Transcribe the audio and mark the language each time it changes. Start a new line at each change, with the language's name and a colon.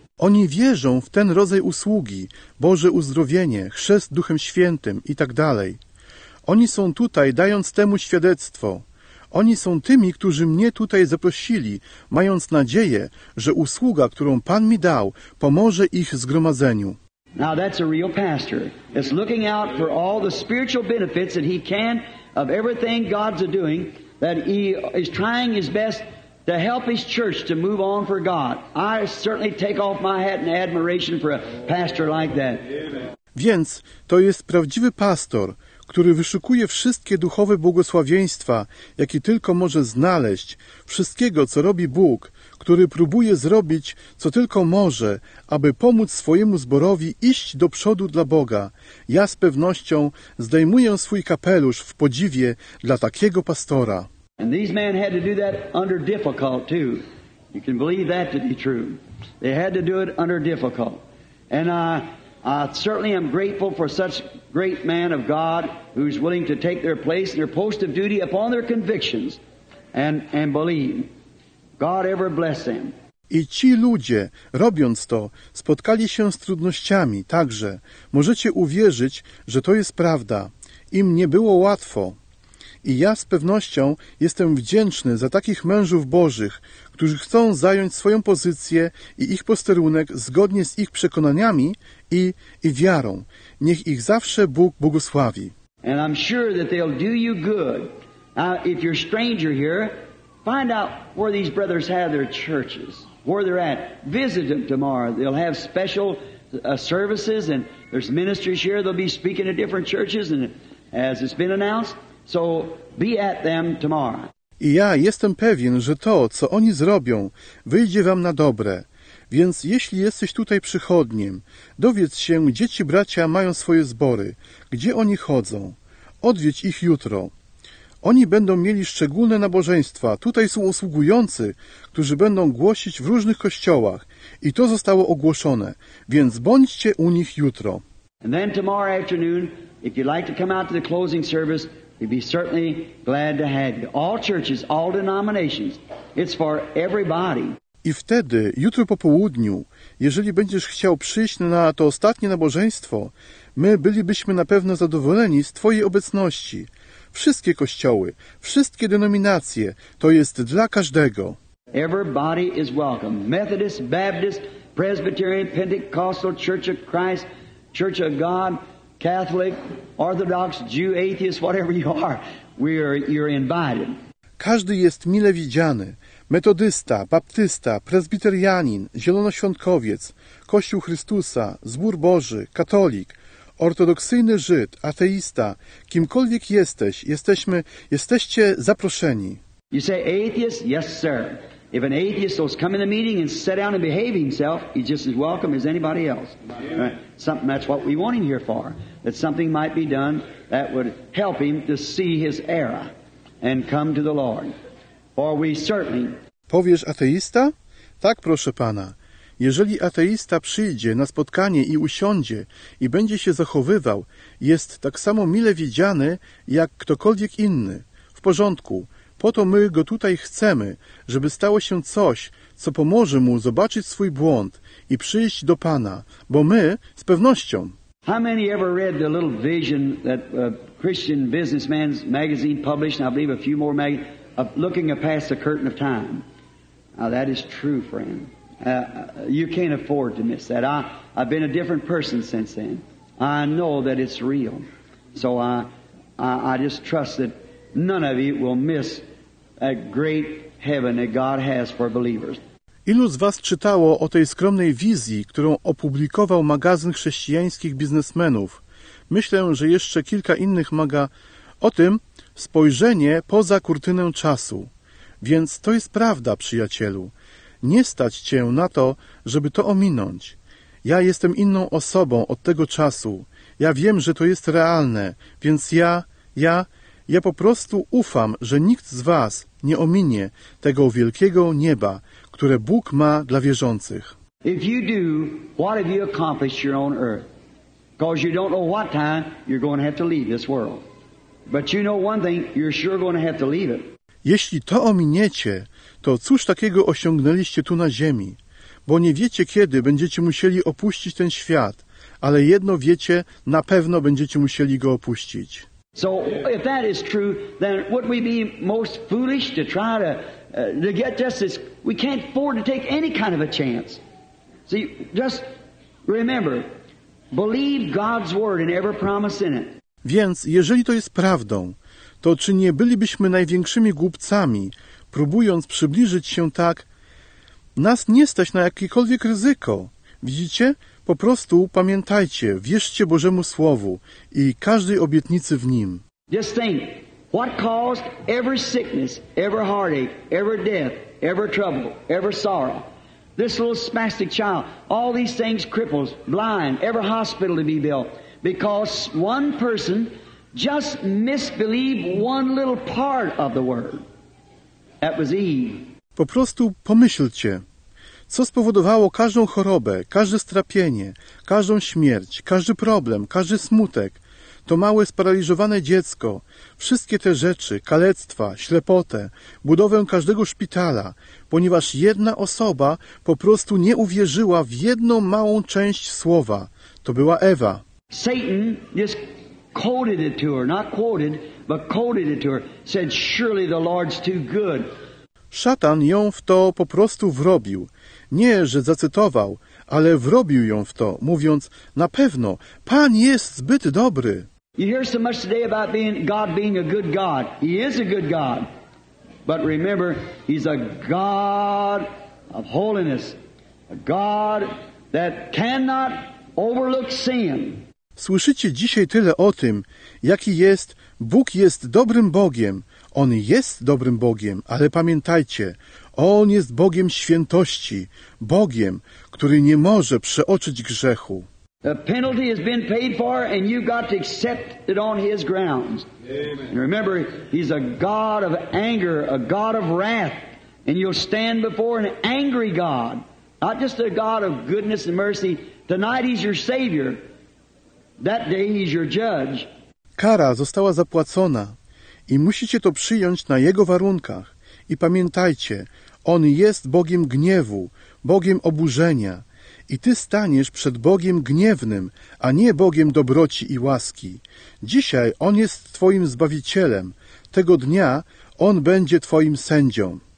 Polish: Oni wierzą w ten rodzaj usługi, Boże uzdrowienie, chrzest Duchem Świętym i tak dalej. Oni są tutaj, dając temu świadectwo. Oni są tymi, którzy mnie tutaj zaprosili, mając nadzieję, że usługa, którą Pan mi dał, pomoże ich zgromadzeniu.
English: Now that's a real pastor. It's looking out for all the spiritual benefits that he can of everything God's doing, that he is trying his best to help his church to move on for God. I certainly take off my hat in admiration for a pastor like that. Amen.
Polish: Więc to jest prawdziwy pastor, który wyszukuje wszystkie duchowe błogosławieństwa, jakie tylko może znaleźć, wszystkiego, co robi Bóg, który próbuje zrobić, co tylko może, aby pomóc swojemu zborowi iść do przodu dla Boga. Ja z pewnością zdejmuję swój kapelusz w podziwie dla takiego pastora.
English: And these men had to do that under difficult too. You can believe that to be true. They had to do it under difficult. And I certainly am grateful for such great man of God who's willing to take their place, their post of duty upon their convictions and believe. God ever bless them.
Polish: I ci ludzie, robiąc to, spotkali się z trudnościami także. Możecie uwierzyć, że to jest prawda. Im nie było łatwo. I ja z pewnością jestem wdzięczny za takich mężów Bożych, którzy chcą zająć swoją pozycję i ich posterunek zgodnie z ich przekonaniami i wiarą. Niech ich zawsze Bóg błogosławi.
English: And I'm sure that they'll do you good. If you're a stranger here, find out where these brothers have their churches, where they're at. Visit them tomorrow. They'll have special services and there's ministries here. They'll be speaking at different churches and as it's been announced. So be at them tomorrow.
Polish: I ja jestem pewien, że to, co oni zrobią, wyjdzie wam na dobre. Więc jeśli jesteś tutaj przychodniem, dowiedz się, gdzie ci bracia mają swoje zbory, gdzie oni chodzą. Odwiedź ich jutro. Oni będą mieli szczególne nabożeństwa. Tutaj są usługujący, którzy będą głosić w różnych kościołach. I to zostało ogłoszone. Więc bądźcie u nich jutro.
English: And then tomorrow afternoon, if you'd like to come out to the closing service, we'd be certainly glad to have you. All churches, all denominations. It's for everybody.
Polish: I wtedy, jutro po południu, jeżeli będziesz chciał przyjść na to ostatnie nabożeństwo, my bylibyśmy na pewno zadowoleni z Twojej obecności. Wszystkie kościoły, wszystkie denominacje, to jest dla każdego.
English: Everybody is welcome. Methodist, Baptist, Presbyterian, Pentecostal, Church of Christ, Church of God, Catholic, Orthodox, Jew, Atheist, whatever you are, you're invited.
Polish: Każdy jest mile widziany. Metodysta, baptysta, prezbiterianin, zielonoświątkowiec, Kościół Chrystusa, Zbór Boży, katolik, ortodoksyjny Żyd, ateista, kimkolwiek jesteś, jesteście zaproszeni.
English: You say atheist? Yes, sir. If an atheist will come in the meeting and sit down and behave himself, he's just as welcome as anybody else. Something that's what we want him here for, that something might be done that would help him to see his error and come to the Lord. Or we certainly...
Polish: Powiesz ateista? Tak, proszę pana. Jeżeli ateista przyjdzie na spotkanie i usiądzie i będzie się zachowywał, jest tak samo mile widziany jak ktokolwiek inny. W porządku. Po to my go tutaj chcemy, żeby stało się coś, co pomoże mu zobaczyć swój błąd i przyjść do pana, bo my z pewnością...
English: How many ever read the little vision that Christian Businessman's magazine published, and I believe a few more magazines... of looking past the curtain of time. Now that is true, friend. You can't afford to miss that. I've been a different person since then. I know that it's real. So I just trust that none of you will miss a great heaven that God has for believers.
Polish: Ilu z was czytało o tej skromnej wizji, którą opublikował magazyn chrześcijańskich biznesmenów? Myślę, że jeszcze kilka innych o tym, spojrzenie poza kurtynę czasu. Więc to jest prawda, przyjacielu. Nie stać cię na to, żeby to ominąć. Ja jestem inną osobą od tego czasu. Ja wiem, że to jest realne, więc ja po prostu ufam, że nikt z was nie ominie tego wielkiego nieba, które Bóg ma dla wierzących.
English: If you do, what have you accomplished here on earth? Because you don't know what time you're going to have to leave this world. But you know one thing, you're sure going to have to leave it.
Polish: Jeśli to ominiecie, to cóż takiego osiągnęliście tu na ziemi? Bo nie wiecie, kiedy będziecie musieli opuścić ten świat, ale jedno wiecie, na pewno będziecie musieli go opuścić.
English: So if that is true, then would we be most foolish to try to get justice? We can't afford to take any kind of a chance. See, just remember, believe God's word and every promise in it.
Polish: Więc, jeżeli to jest prawdą, to czy nie bylibyśmy największymi głupcami, próbując przybliżyć się tak? Nas nie stać na jakiekolwiek ryzyko. Widzicie? Po prostu pamiętajcie, wierzcie Bożemu Słowu i każdej obietnicy w Nim.
English: Just think, what caused every sickness, every heartache, every death, every trouble, every sorrow? This little spastic child, all these things, cripples, blind, every hospital to be built, because one person just misbelieved one little part of the word. That was Eve.
Polish: Po prostu pomyślcie, co spowodowało każdą chorobę, każde strapienie, każdą śmierć, każdy problem, każdy smutek, to małe sparaliżowane dziecko, wszystkie te rzeczy, kalectwa, ślepotę, budowę każdego szpitala, ponieważ jedna osoba po prostu nie uwierzyła w jedną małą część słowa. To była Ewa.
English: Satan just quoted it to her, not quoted, but quoted it to her, said, surely the Lord's too good.
Polish: Szatan ją w to po prostu wrobił. Nie, że zacytował, ale wrobił ją w to, mówiąc, na pewno, Pan jest zbyt dobry.
English: You hear so much today about being God being a good God. He is a good God. But remember, He's a God of holiness. A God that cannot overlook sin.
Polish: Słyszycie dzisiaj tyle o tym, jaki jest, Bóg jest dobrym Bogiem. On jest dobrym Bogiem, ale pamiętajcie, On jest Bogiem świętości, Bogiem, który nie może przeoczyć grzechu.
English: The penalty has been paid for and you've got to accept it on His grounds. Amen. Remember, He's a God of anger, a God of wrath, and you'll stand before an angry God, not just a God of goodness and mercy. Tonight He's your Savior, that day He's your judge.
Polish: Kara została zapłacona. I musicie to przyjąć na Jego warunkach. I pamiętajcie, On jest Bogiem gniewu, Bogiem oburzenia. I Ty staniesz przed Bogiem gniewnym, a nie Bogiem dobroci i łaski. Dzisiaj On jest Twoim Zbawicielem. Tego dnia On będzie Twoim sędzią.